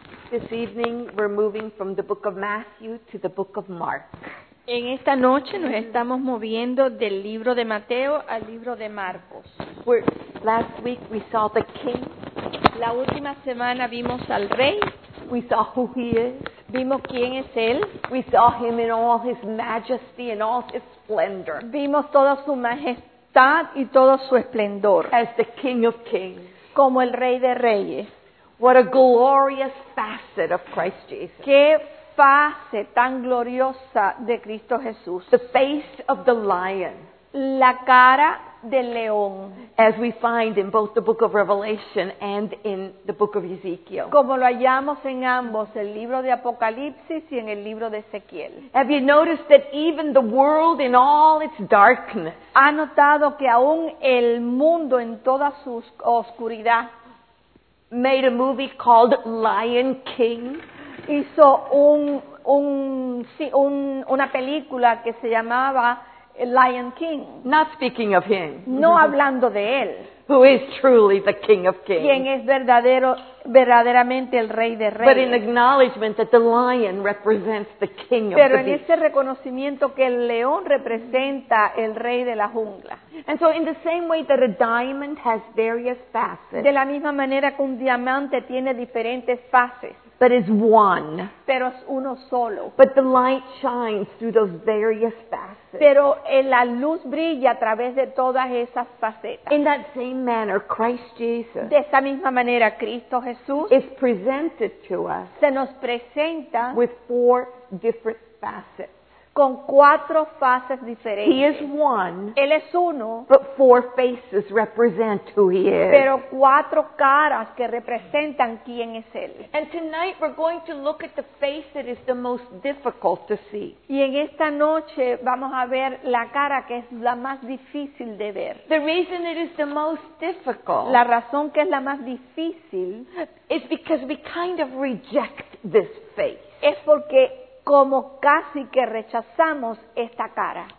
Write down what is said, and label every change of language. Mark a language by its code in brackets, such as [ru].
[en] This evening we're moving from the book of Matthew to the book of Mark. [es] En esta noche nos estamos moviendo del libro de Mateo al libro de Marcos. [en] Last week we saw the king. [es] La última semana vimos al rey. [en] We saw who he is. [es] Vimos quién es él. [en] We saw him in all his majesty and all his splendor. [es] Vimos toda su majestad y todo su esplendor. [en] As the king of kings. [es] Como el rey de reyes. [en] What a glorious facet of Christ Jesus. [es] Qué fase tan gloriosa de Cristo Jesús. [en] The face of the lion. [es] La cara del león. [en] As we find in both the book of Revelation and in the book of Ezekiel. [es] Como lo hallamos en ambos, el libro de Apocalipsis y en el libro de Ezequiel. [en] Have you noticed that even the world in all its darkness. [es] ¿Ha notado que aún el mundo en toda su oscuridad [en] made a movie called Lion King? [es] Hizo una película que se llamaba Lion King. [en] Not speaking of him. [es] No hablando de él. [en] Who is truly the King of Kings. [es] Quien es verdaderamente el Rey de Reyes. [en] But in acknowledgement that the lion represents the King of [es] Pero [en] the [es] Beast. Pero en ese reconocimiento que el león representa el Rey de la Jungla. [en] And so in the same way that a diamond has various facets. [es] De la misma manera que un diamante tiene diferentes fases. [en] But is one. [es] Pero es uno solo. [en] But the light shines through those various facets. [es] Pero la luz brilla a través de todas esas facetas. [en] In that same manner, Christ Jesus. [es] De esa misma manera, Cristo Jesús. [en] Is presented to us. [es] Se nos presenta. [en] With four different facets. [es] Con cuatro fases diferentes. [en] He is one. [es] Él es uno. [en] But four faces represent who he is. [es] Pero cuatro caras que representan quién es él. [en] And tonight we're going to look at the face that is the most difficult to see. [es] Y en esta noche vamos a ver la cara que es la más difícil de ver. [en] The reason it is the most difficult. [es] La razón que es la más difícil. [en] Is because we kind of reject this face. [es] Es porque como casi que rechazamos esta cara.